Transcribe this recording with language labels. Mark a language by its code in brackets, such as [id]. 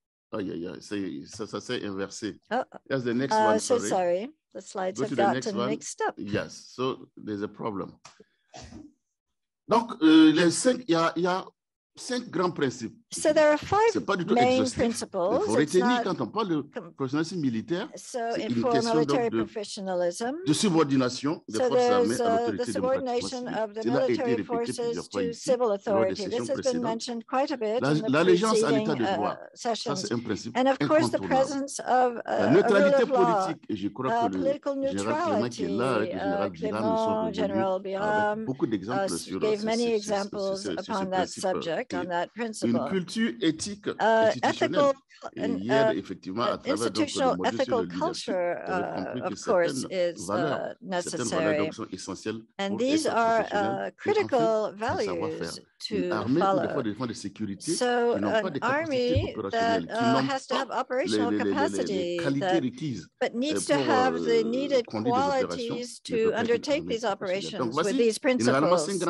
[en] Oh yeah, yeah. Say, [fr] ça s'est inversé. [en] That's the next one. So sorry, the slides have gotten mixed up. Yes, so there's a problem. [fr] Donc, les cinq, il y a cinq grands principes. [en] So there are five main principles. [fr] Il faut retenir quand on parle de professionnalisme militaire. [en] So information military professionalism. [fr] De subordination des forces armées à l'autorité démocratique. [en] The subordination of the military forces to civil authority. This has been mentioned quite a bit. [fr] L'allégeance à l'état de droit. Ça c'est un principe. [en] And of course the presence of [fr] la neutralité politique. Et je crois que le général qui est là, le général Biram, beaucoup d'exemples sur [en] gave many examples upon that subject on that principle. [fr] Culture éthique ethical, hier, effectivement, à travers, [en] institutional [fr] donc, [en] ethical culture, of course, is necessary. And these are critical values to follow. So an army that has to have operational capacity, but needs to have the needed qualities to undertake these operations with these principles.